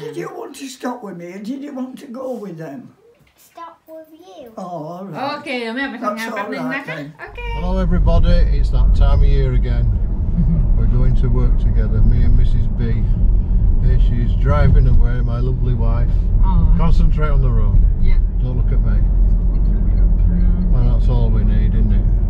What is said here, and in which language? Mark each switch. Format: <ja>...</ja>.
<en>Did you want to stop with me? Did you want to go with them? Stop with you Oh, all right</en> <th>โอเคเดี๋ยวแม่ไปทำงานแป๊บนึงนะคะโอเค</th> <en>Hello everybody, it's that time of year againGoing to work together, me and Mrs. B. Here she is driving away, my lovely wife. Oh. Concentrate on the road. Yeah. Don't look at me. Mm. Well, that's all we need, isn't it?</en>